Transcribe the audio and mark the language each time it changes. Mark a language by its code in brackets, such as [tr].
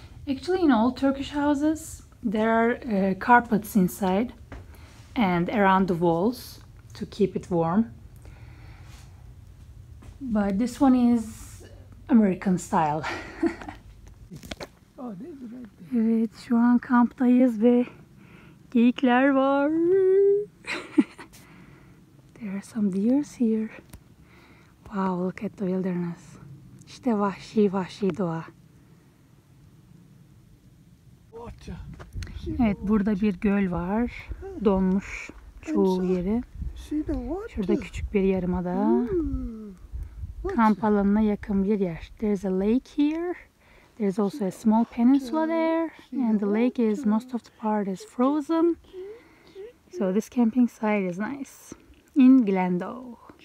[en] Actually, in all Turkish houses, there are carpets inside and around the walls to keep it warm. But this one is American style. [tr] Evet, şu an kamptayız ve geyikler var. [en] There are some deers here. Wow, look at the wilderness. [tr] İşte vahşi vahşi doğa. Evet, burada bir göl var. Donmuş çoğu yeri. Şurada küçük bir yarımada. Kamp alanına yakın bir yer. [en] There's a lake here. There's also a small peninsula there. And the lake is, most of the part is frozen. So this camping site is nice. In Glendale.